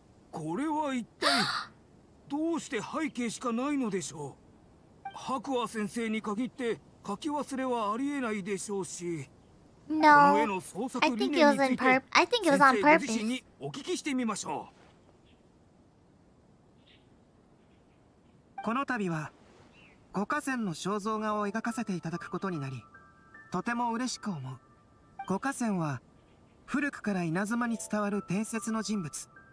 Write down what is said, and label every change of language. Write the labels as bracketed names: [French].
[Japanese] これは一体どうして背景しかないのでしょう。白亜先生に限って書き忘れはありえないでしょうし。 [English] No, I think it was in purpose. I think it was on purpose. [Japanese] お聞きしてみましょう。この度は五花仙の肖像画を描かせていただくことになり、とても嬉しく思う。五花仙は古くから稲妻に伝わる伝説の人物。